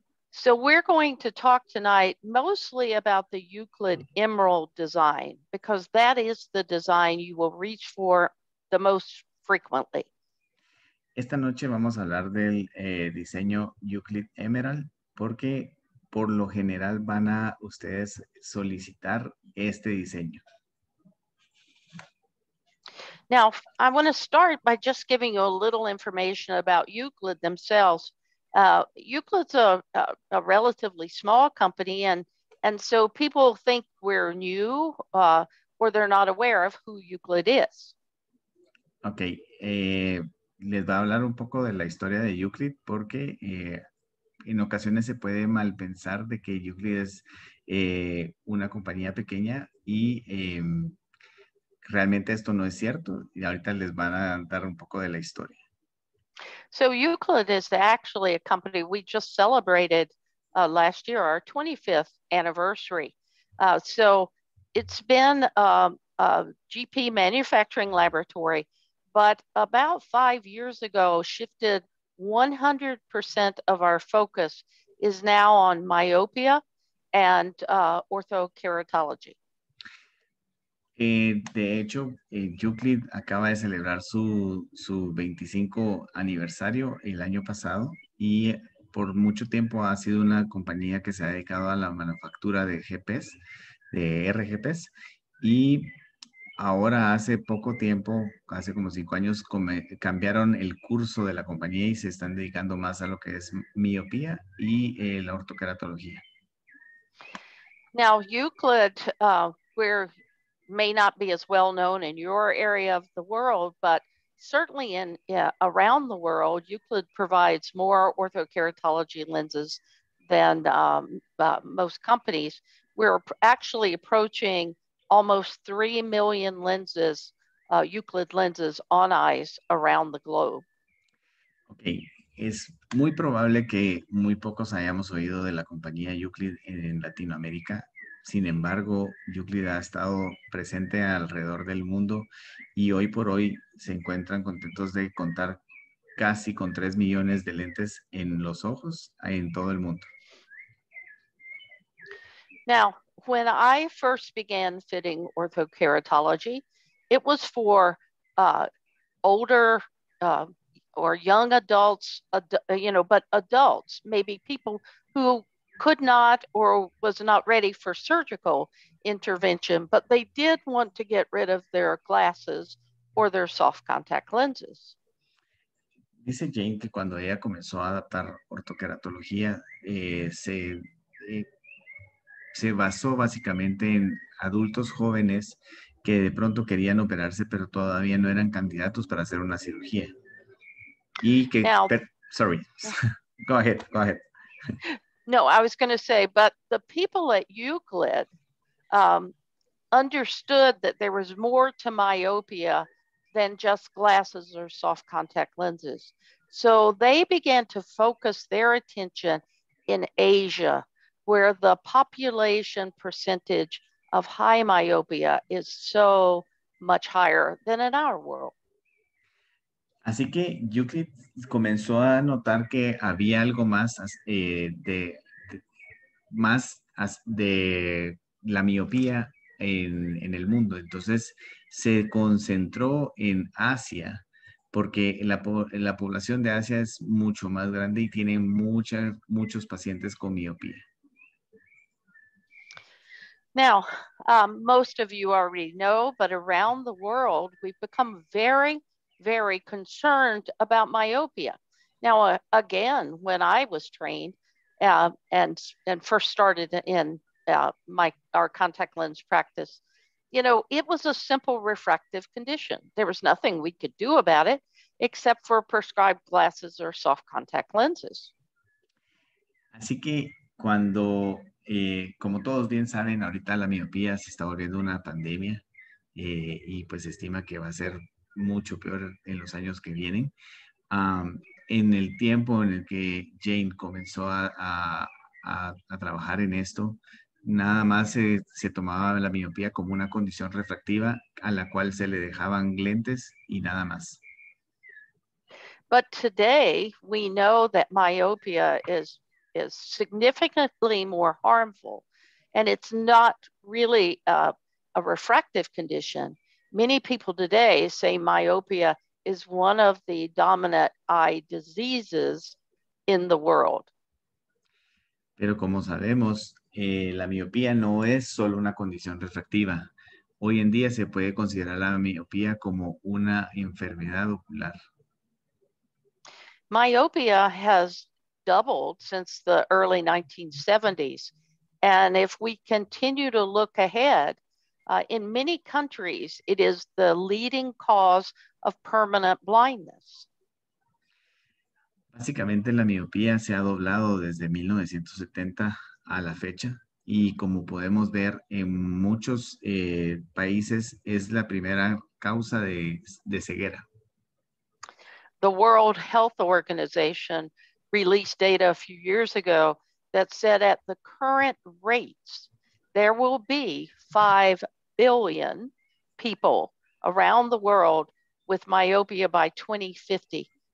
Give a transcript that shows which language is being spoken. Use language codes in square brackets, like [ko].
[en] So we're going to talk tonight mostly about the Euclid Emerald design, because that is the design you will reach for the most frequently. [es] Esta noche vamos a hablar del diseño Euclid Emerald, porque por lo general van a ustedes solicitar este diseño. [en] Now, I want to start by just giving you a little information about Euclid themselves. Euclid's a relatively small company, and so people think we're new or they're not aware of who Euclid is. Okay. [es] Les voy a hablar un poco de la historia de Euclid porque en ocasiones se puede mal pensar de que Euclid es una compañía pequeña y realmente esto no es cierto. Y ahorita les van a dar un poco de la historia. [en] So Euclid is actually a company we just celebrated last year, our 25th anniversary. So it's been a GP manufacturing laboratory, but about 5 years ago shifted 100% of our focus is now on myopia and orthokeratology. [es] De hecho, Euclid acaba de celebrar su 25 aniversario el año pasado y por mucho tiempo ha sido una compañía que se ha dedicado a la manufactura de GPs, de RGPs, y ahora hace poco tiempo, hace como 5 años, cambiaron el curso de la compañía y se están dedicando más a lo que es miopía y la ortokeratología. [en] Now, Euclid, we're may not be as well known in your area of the world, but certainly in around the world, Euclid provides more orthokeratology lenses than most companies. We're actually approaching almost 3 million lenses, Euclid lenses on eyes around the globe. Okay. [es] Es muy probable que muy pocos hayamos oído de la compañía Euclid en Latinoamérica. Sin embargo, Euclid ha estado presente alrededor del mundo y hoy por hoy se encuentran contentos de contar casi con 3 millones de lentes en los ojos en todo el mundo. [en] Now, when I first began fitting orthokeratology, it was for older or young adults, you know, but adults, maybe people who could not or was not ready for surgical intervention, but they did want to get rid of their glasses or their soft contact lenses. [es] Dice Jane que cuando ella comenzó a adaptar ortokeratología, se basó básicamente en adultos jóvenes que de pronto querían operarse, pero todavía no eran candidatos para hacer una cirugía. Y que, [en] now, sorry, go ahead. No, I was going to say, but the people at Euclid understood that there was more to myopia than just glasses or soft contact lenses. So they began to focus their attention in Asia, where the population percentage of high myopia is so much higher than in our world. [es] Así que Euclid comenzó a notar que había algo más de la miopía en el mundo. Entonces se concentró en Asia porque la población de Asia es mucho más grande y tiene muchos pacientes con miopía. [en] Now, most of you already know, but around the world, we've become very, very concerned about myopia. Now, again, when I was trained and first started in our contact lens practice, you know, it was a simple refractive condition. There was nothing we could do about it except for prescribed glasses or soft contact lenses. [es] Así que cuando, como todos bien saben, ahorita la miopía se está volviendo una pandemia y pues se estima que va a ser mucho peor en los años que vienen. En el tiempo en el que Jane comenzó a trabajar en esto, nada más se tomaba la miopía como una condición refractiva a la cual se le dejaban lentes y nada más. [en] But today we know that myopia is significantly more harmful, and it's not really a refractive condition. Many people today say myopia is one of the dominant eye diseases in the world. [es] Pero como sabemos, la miopía no es solo una condición refractiva. Hoy en día se puede considerar la miopía como una enfermedad ocular. [en] Myopia has doubled since the early 1970s. And if we continue to look ahead, in many countries, it is the leading cause of permanent blindness. [es] Básicamente, la miopía se ha doblado desde 1970 a la fecha. Y como podemos ver, en muchos países es la primera causa de ceguera. [en] The World Health Organization released data a few years ago that said at the current rates, there will be 5 billion people around the world with myopia by 2050.